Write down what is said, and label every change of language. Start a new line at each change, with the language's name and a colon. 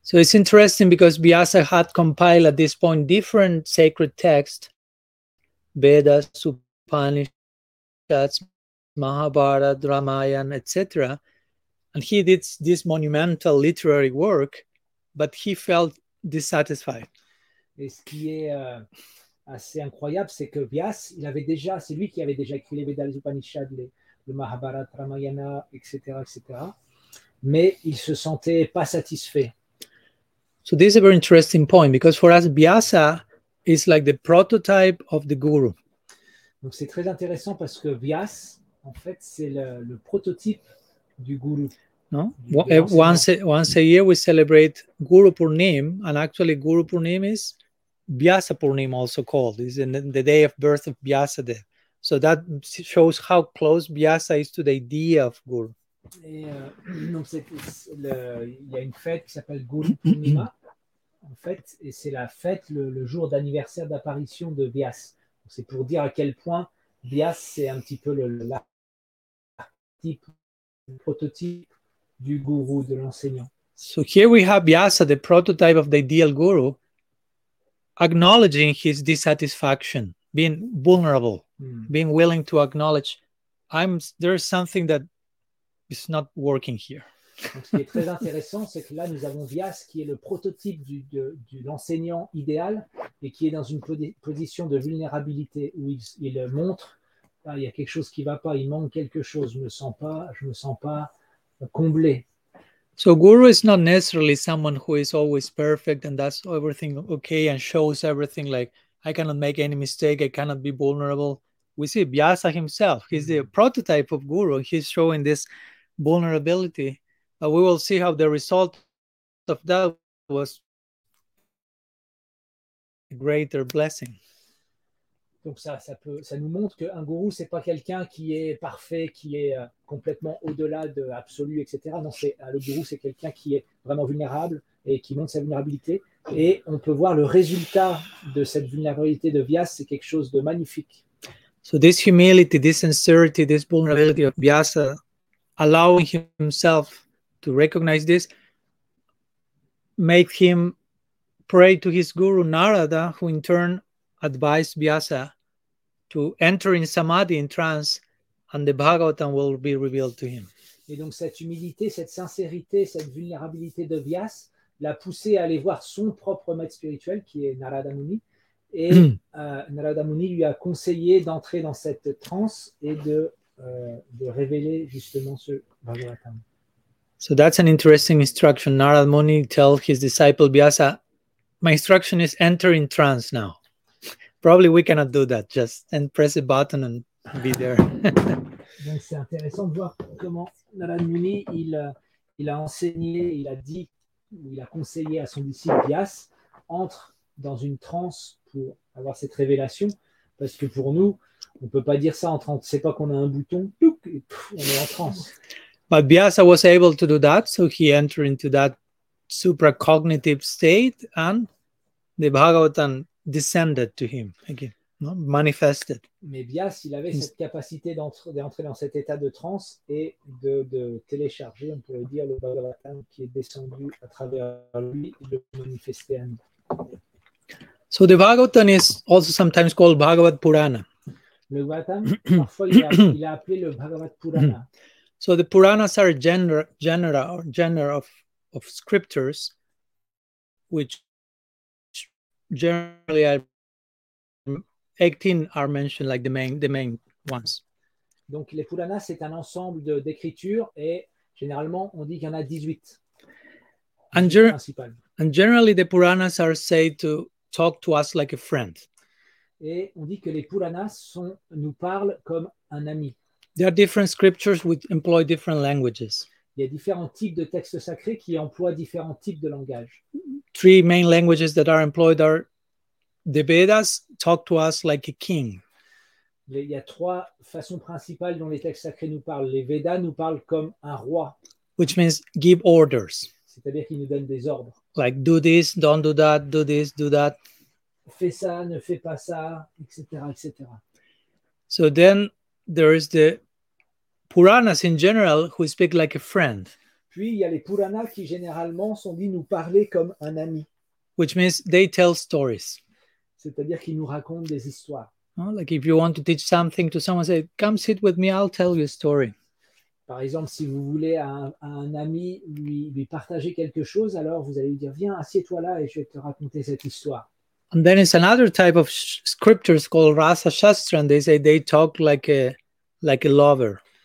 English: So it's interesting because Vyasa had compiled at this point different sacred texts, Vedas, Upanishads, Mahabharata, Ramayana, etc. And he did this monumental literary work, but he felt dissatisfied.
French: Et ce qui est assez incroyable, c'est que Vyas, il avait déjà, c'est lui qui avait déjà écrit les Vedas, les Upanishads, le Mahabharata, Ramayana, etc., etc. Mais il se sentait pas satisfait.
English: So this is a very interesting point, because for us, Vyasa is like the prototype of the guru.
French: Donc c'est très intéressant parce que Vyas, en fait, c'est le prototype du guru.
English: No? Once a year, we celebrate Guru Purnim, and actually Guru Purnim is Vyasa Purnim, also called. It's the day of birth of Vyasadeva. So that shows how close Vyasa is to the idea of guru.
French: Et, donc il y a une fête qui s'appelle Guru Purnima, en fait, et c'est la fête, le jour d'anniversaire d'apparition de Vyasa. Donc, c'est pour dire à quel point Vyasa, c'est un petit peu le prototype du guru, de l'enseignant.
English: So here we have Vyasa, the prototype of the ideal guru, acknowledging his dissatisfaction, being vulnerable, being willing to acknowledge, there's something that is not working here.
French: Donc, ce qui est très intéressant, c'est que là, nous avons Vyasa qui est le prototype de l'enseignant idéal et qui est dans une position de vulnérabilité où il montre, il y a quelque chose qui ne va pas, il manque quelque chose, je ne me sens pas comblé.
English: So guru is not necessarily someone who is always perfect and does everything okay and shows everything like, I cannot make any mistake, I cannot be vulnerable. We see Vyasa himself, he's the prototype of guru, he's showing this vulnerability. But we will see how the result of that was a greater blessing.
French: Donc ça nous montre qu'un gourou, c'est pas quelqu'un qui est parfait, qui est complètement au-delà de l'absolu, etc. Non, le gourou, c'est quelqu'un qui est vraiment vulnérable et qui montre sa vulnérabilité. Et on peut voir le résultat de cette vulnérabilité de Vyasa, c'est quelque chose de magnifique.
English: So this humility, this sincerity, this vulnerability of Vyasa, allowing himself to recognize this, make him pray to his guru Narada, who in turn advised Vyasa to enter in samadhi, in trance, and the Bhagavatam will be revealed to him.
French: Et donc cette humilité, cette sincérité, cette vulnérabilité de Vyasa l'a poussé à aller voir son propre maître spirituel, qui est Narada Muni, et Narada Muni lui a conseillé d'entrer dans cette transe et de révéler justement ce Bhagavatam.
English: So that's an interesting instruction. Narada Muni tells his disciple Vyasa, my instruction is enter in trance now. Probably we cannot do that, just and press a button and be there.
French: Donc c'est intéressant de voir comment Narada Muni il a enseigné, il a dit, il a conseillé à son disciple Vyasa, entre dans une transe pour avoir cette révélation, parce que pour nous, on ne peut pas dire ça en transe, c'est pas qu'on a un bouton, et on est en transe.
English: But Vyasa was able to do that, so he entered into that supracognitive state and the Bhagavatam descended to him again, manifested.
French: Mais Vyasa, il avait cette capacité d'entrer dans cet état de transe et de télécharger, on pourrait dire, le Bhagavatam qui est descendu à travers lui et le manifesté à nous.
English: So the Bhagavatam is also sometimes called Bhagavat Purana.
French: Le Bhagavatam, parfois il a appelé le Bhagavat Purana.
English: So the Puranas are genre of scriptures, which generally 18 are mentioned, like the main ones.
French: Donc les Puranas, c'est un ensemble d'écritures et généralement on dit qu'il y en a 18.
English: And generally the Puranas are said to talk to us like a friend.
French: Et on dit que les Puranas nous parlent comme un ami.
English: There are different scriptures which employ different languages.
French: Il y a différents types de textes sacrés qui emploient différents types de langage.
English: Three main languages that are employed are the Vedas talk to us like a king.
French: Il y a trois façons principales dont les textes sacrés nous parlent. Les Vedas nous parlent comme un roi.
English: Which means give orders.
French: C'est-à-dire qu'ils nous donnent des ordres.
English: Like do this, don't do that, do this, do that.
French: Fais ça, ne fais pas ça, etc., etc.
English: So then there is the Puranas in general who speak like a friend.
French: Puis il y a les Puranas qui généralement sont dit nous parler comme un ami.
English: Which means they tell stories.
French: C'est-à-dire qu'ils nous racontent des histoires.
English: Like if you want to teach something to someone, say, come sit with me, I'll tell you a story.
French: Par exemple, si vous voulez à un ami lui partager quelque chose, alors vous allez lui dire, viens, assieds-toi là et je vais te raconter cette histoire.
English: And then it's another type of scriptures called Rasa Shastra, and they say they talk like a lover.